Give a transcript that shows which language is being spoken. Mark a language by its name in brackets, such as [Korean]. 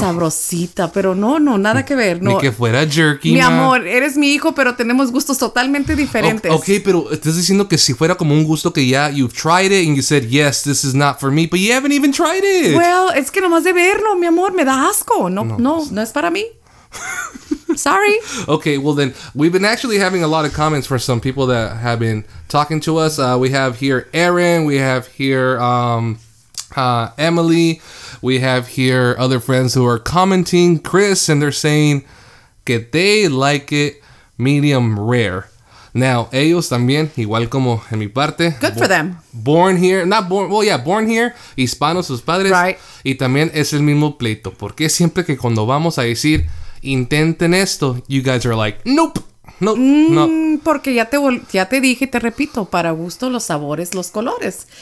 [Spanish] Sabrosita. Pero no, no, nada que ver. No. Ni que fuera jerky. Mi amor, eres mi hijo, pero tenemos gustos totalmente diferentes. Ok, pero estás diciendo que si fuera como un gusto que ya [English] you've tried it and you said, yes, this is not for me, but you haven't even tried it. [Spanish] Well, es que nomás de verlo, mi amor, me da asco. No, es para mí. [English] Sorry. Okay, well then, we've been actually having a lot of comments for some people that have been talking to us. We have here Aaron, we have here Emily, we have here other friends who are commenting, Chris, and they're saying [Spanish] que [English] they like it medium rare. [Spanish] Now, ellos también, igual como en mi parte. [English] Good for them. Born here, [Spanish] hispanos sus padres. [English] Right. [Spanish] Y también es el mismo pleito, porque siempre que cuando vamos a decir, intenten esto, [English] you guys are like, nope. [Spanish] Porque ya te dije y te repito, para gusto los sabores, los colores.